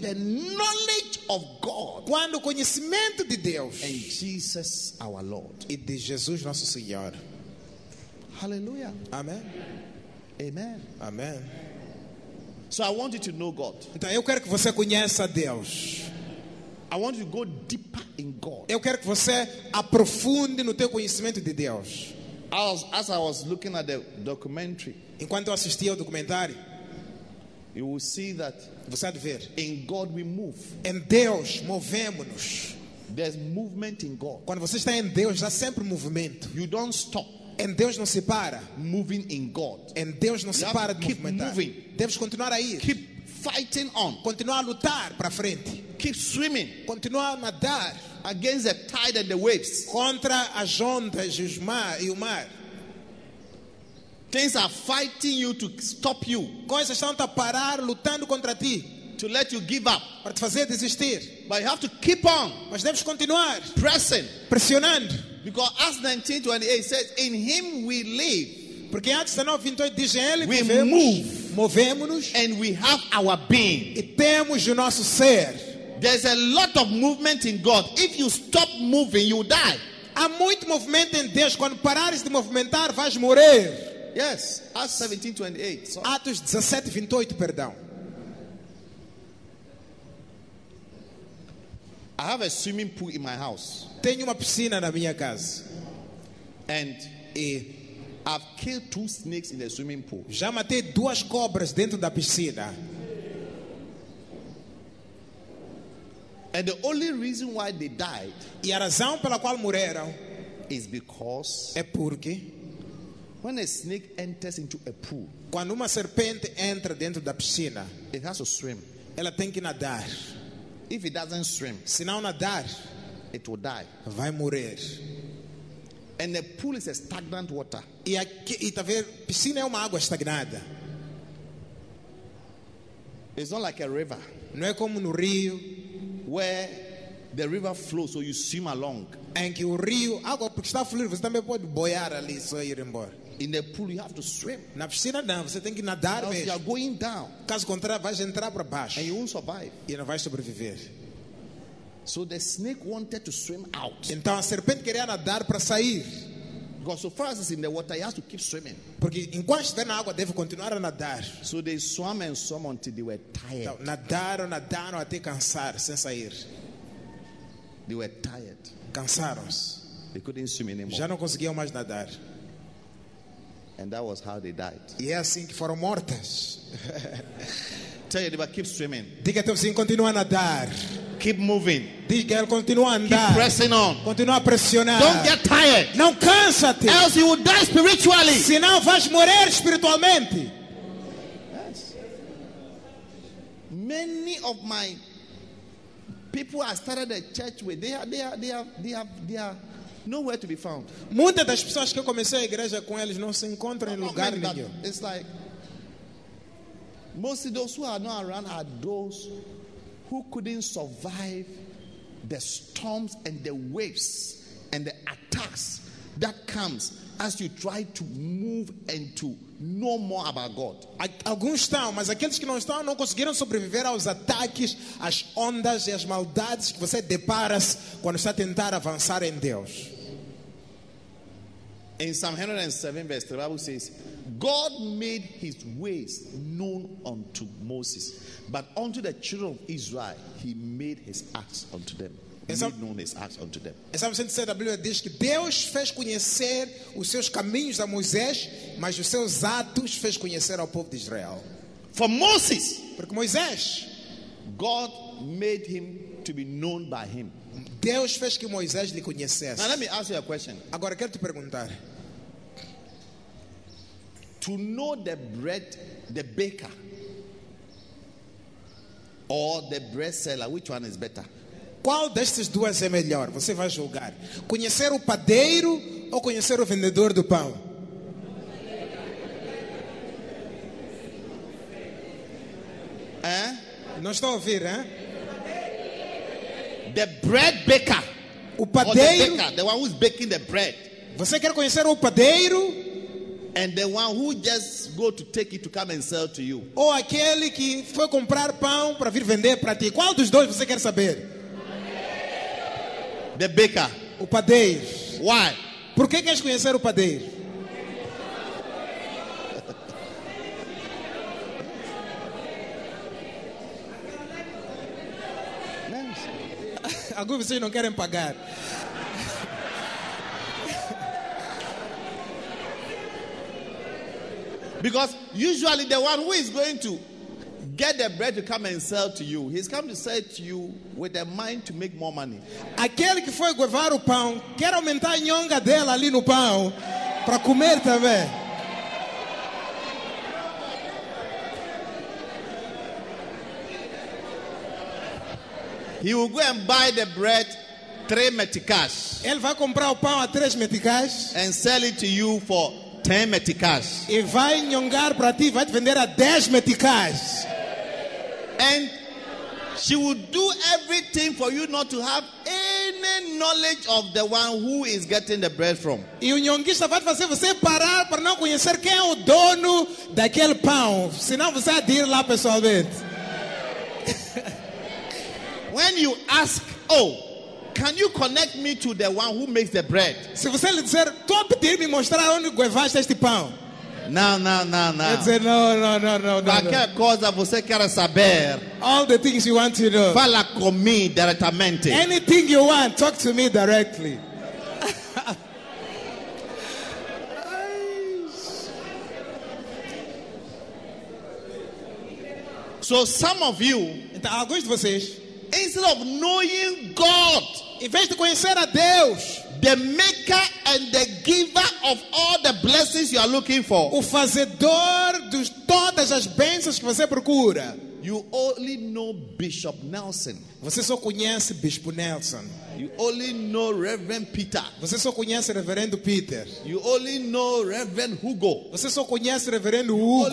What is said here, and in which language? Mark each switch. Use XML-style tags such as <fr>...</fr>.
<en>The knowledge of God.</en> <pt>Quando o conhecimento de Deus.</pt> <en>And Jesus our Lord.</en> <pt>E de Jesus nosso Senhor. Hallelujah. Amen. Amen. Amen.</pt> <en>So I want you to know God.</en> <pt>Então eu quero que você conheça Deus.</pt> <en>I want you to go deeper in God.</en> <pt>Eu quero que você aprofunde no teu conhecimento de Deus.</pt> <en>As I was looking at the documentary,</en> <pt>enquanto eu assisti ao documentário,</pt> <en>you will see that</en> <pt>você há de ver,</pt> <en>in God we move.</en> <pt>Em Deus movemos-nos.</pt> <en>There's movement in God.</en> <pt>Quando você está em Deus, há sempre movimento.</pt> <en>You don't stop.</en> <pt>Em Deus não se para.</pt> <en>Moving in God.</en> <pt>Em Deus não</pt> <en>you</en> <pt>se para de</pt> <en>keep</en> <pt>movimentar.</pt> <en>Moving.</en> <pt>Deves continuar a ir.</pt> <en>Keep fighting on.</en> <pt>Continuar a lutar para frente.</pt> <en>Keep swimming.</en> <pt>Continuar a nadar.</pt> <en>Against the tide and the waves.</en> <pt>Contra as ondas e o mar.</pt> <en>Things are fighting you to stop you.</en> <pt>Coisas estão a parar lutando contra ti.</pt> <en>To let you give up.</en> <pt>Para te fazer desistir.</pt> <en>But you have to keep on.</en> <pt>Mas deves continuar.</pt> <en>Pressing.</en> <pt>Pressionando.</pt> <en>Because Acts 19:28 says, "In Him we live."</en> <pt>Porque Acts 19:28 diz em Ele</pt> <en>we</en> <pt>vivemos,</pt> <en>move,</en> <pt>movemo-nos,</pt> <en>and we have our being.</en> <pt>E temos o nosso ser.</pt> <en>There's a lot of movement in God. If you stop moving, you die.</en> <pt>Há muito movimento em Deus. Quando parares de movimentar, vais morrer.</pt> <en>Yes, Acts 17:28.</en> <pt>Atos 17:28, perdão.</pt> <en>I have a swimming pool in my house.</en> <pt>Tenho uma piscina na minha casa.</pt> <en>And I've killed two snakes in the swimming pool.</en> <pt>Já matei duas cobras dentro da piscina.</pt> <en>And the only reason why they died,</en> <pt>e a razão pela qual morreram,</pt> <en>is because</en> <pt>é porque</pt> <en>when a snake enters into a pool,</en> <pt>quando uma serpente entra dentro da piscina,</pt> <en>it has to swim.</en> <pt>Ela tem que nadar.</pt> <en>If it doesn't swim,</en> <pt>se não nadar,</pt> <en>it will die.</en> <pt>Vai morrer.</pt> <en>And the pool is a stagnant water.</en> <pt>E aqui, tá vendo? Piscina é uma água estagnada.</pt> <en>It's not like a river.</en> <pt>Não é como no rio,</pt> <en>where the river flows, so you swim along.</en> <pt>Em que o rio, água porque está fluindo, você também pode boiar ali, só ir embora.</pt> <en>In the pool, you have to swim.</en> <pt>Na piscina não, você tem que nadar mesmo.</pt> <en>You are going down.</en> <pt>Caso contrário, vais entrar para baixo.</pt> <en>And you won't survive.</en> <pt>E não vais sobreviver.</pt> <en>So the snake wanted to swim out.</en> <pt>Então a serpente queria nadar para sair.</pt> <en>Because so far as it's in the water, he has to keep swimming.</en> <pt>Porque enquanto estiver na água, deve continuar a nadar.</pt> <en>So they swam and swam until they were tired.</en> <pt>Então, nadaram, nadaram até cansar, sem sair.</pt> <en>They were tired.</en> <pt>Cansaram-se.</pt> <en>They couldn't swim anymore.</en> <pt>Já não conseguiam mais nadar.</pt> <en>And that was how they died.</en> <pt>E é assim que foram mortas.</pt> <en>Tell you, keep swimming.</en> <pt>Diga teu sim, continua a nadar.</pt> <en>Keep moving.</en> <pt>Diga ele, continua a andar.</pt> <en>Keep pressing on.</en> <pt>Continua a pressionar.</pt> <en>Don't get tired.</en> <pt>Não cansa-te.</pt> <en>Else you will die spiritually.</en> <pt>Senão vais morrer espiritualmente.</pt> <en>Yes. Many of my people I started a church with, they are nowhere to be found.</en> <pt>Muitas das pessoas que eu comecei a igreja com eles não se encontram em lugar nenhum.</pt> <en>It's like most of those who are not around are those who couldn't survive the storms and the waves and the attacks that comes as you try to move and to know more about God.</en> <pt>Alguns estão, mas aqueles que não estão não conseguiram sobreviver aos ataques, às ondas e às maldades que você depara-se quando está a tentar avançar em Deus.</pt> <en>In Psalm 107, verse 3, the Bible says, God made his ways known unto Moses, but unto the children of Israel, he made his acts unto them.</en> <pt>Em Salmo 107, diz que Deus fez conhecer os seus caminhos a Moisés, mas os seus atos fez conhecer ao povo de Israel.</pt> <en>For Moses,</en> <pt>porque Moisés,</pt> <en>God made him to be known by him.</en> <pt>Deus fez que Moisés lhe conhecesse.</pt> <en>Now let me ask you a question.</en> <pt>Agora quero te perguntar.</pt> <en>To know the bread, the baker, or the bread seller, which one is better?</en> <pt>Qual destas duas é melhor? Você vai julgar. Conhecer o padeiro ou conhecer o vendedor do pão? Hein? Não estou a ouvir, hein?</pt> <en>The bread baker.</en> <pt>O padeiro.</pt> <en>The baker, the one who is baking the bread.</en> <pt>Você quer conhecer o padeiro?</pt> <en>And the one who just go to take it to come and sell to you.</en> <pt>Ou aquele que foi comprar pão para vir vender para ti. Qual dos dois você quer saber?</pt> <en>The baker.</en> <pt>O padeiro.</pt> <en>Why?</en> <pt>Por que queres conhecer o padeiro? Alguns de vocês não querem pagar.</pt> <en>Because usually the one who is going to get the bread to come and sell to you, he's come to sell to you with a mind to make more money.</en> <pt>Aquele que foi levar o pão quer aumentar a nhonga dela ali no pão para comer também.</pt> <en>He will go and buy the bread 3 meticais.</en> <pt>Ele vai comprar o pão a 3 meticais.</pt> <en>And sell it to you for 10 meticais.</en> <pt>E vai nhongar para ti, vai te vender a 10 meticais.</pt> <en>And she will do everything for you not to have any knowledge of the one who is getting the bread from.</en> <pt>E o nhonguista vai fazer você parar para não conhecer quem é o dono daquele pão. Senão você vai dizer lá pessoalmente.</pt> <en>When you ask, oh, can you connect me to the one who makes the bread?</en> <pt>Se você lhe dizer, tu vai pedir me mostrar onde guevaste este pão? Não. Ele dizer, não. Qualquer coisa você quer saber.</pt> <en>All the things you want to know.</en> <pt>Fala comigo diretamente.</pt> <en>Anything you want, talk to me directly. So some of you,</en> <pt>então, alguns de vocês,</pt> <en>instead of knowing God,</en> <pt>em vez de conhecer a Deus,</pt> <en>the maker and the giver of all the blessings you are looking for,</en> <pt>o fazedor de todas as bênçãos que você procura,</pt> <en>you only know Bishop Nelson.</en> <pt>Você só conhece Bispo Nelson.</pt> <en>You only know Reverend Peter.</en> <pt>Você só conhece Reverendo Peter.</pt> <en>You only know Reverend Hugo.</en> <pt>Você só conhece Reverendo Hugo.</pt>